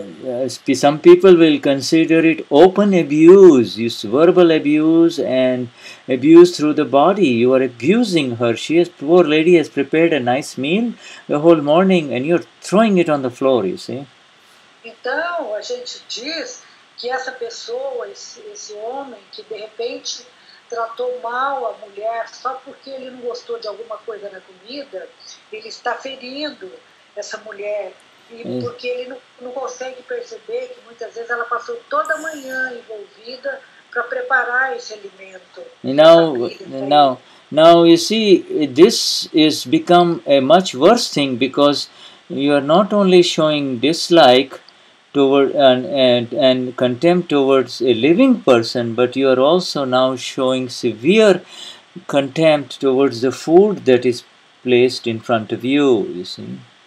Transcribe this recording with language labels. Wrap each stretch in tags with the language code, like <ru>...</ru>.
<en>Yes, some people will consider it open abuse, it's verbal abuse and abuse through the body. You are abusing her. She has, poor lady has prepared a nice meal the whole morning and you're throwing it on the floor, you see.</en> <pt>Então, a gente diz que essa pessoa, esse homem que de repente tratou mal a mulher só porque ele não gostou de alguma coisa na comida, ele está ferindo essa mulher, porque ele não consegue perceber que muitas vezes ela passou toda manhã envolvida para preparar esse alimento.</pt> <en>Now you see, this is become a much worse thing because you are not only showing dislike toward and contempt towards a living person, but you are also now showing severe contempt towards the food that is placed in front of you, you see.</en>